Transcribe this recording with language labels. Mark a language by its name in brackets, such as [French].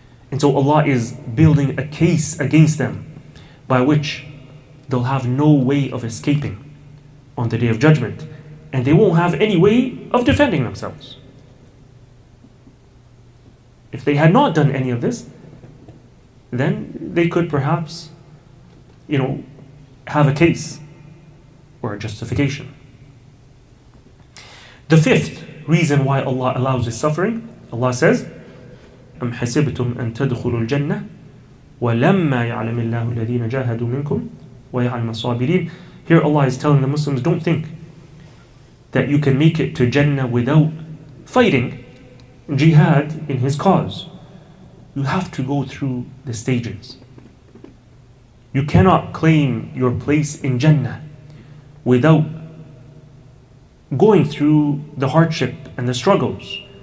[English] And so Allah is building a case against them by which they'll have no way of escaping on the Day of Judgment, and they won't have any way of defending themselves. If they had not done any of this, then they could perhaps, you know, have a case or a justification. The fifth reason why Allah allows this suffering, Allah says, [Arabic] أَمْ حَسِبْتُمْ أَن تَدْخُلُوا الْجَنَّةِ وَلَمَّا يَعْلَمِ اللَّهُ الَّذِينَ جَاهَدُوا مِنْكُمْ وَيَعْلَمَ الصَّابِرِينَ. [English] Here Allah is telling the Muslims, don't think that you can make it to Jannah without fighting jihad in his cause. You have to go through the stages. You cannot claim your place in Jannah without going through the hardship and the struggles.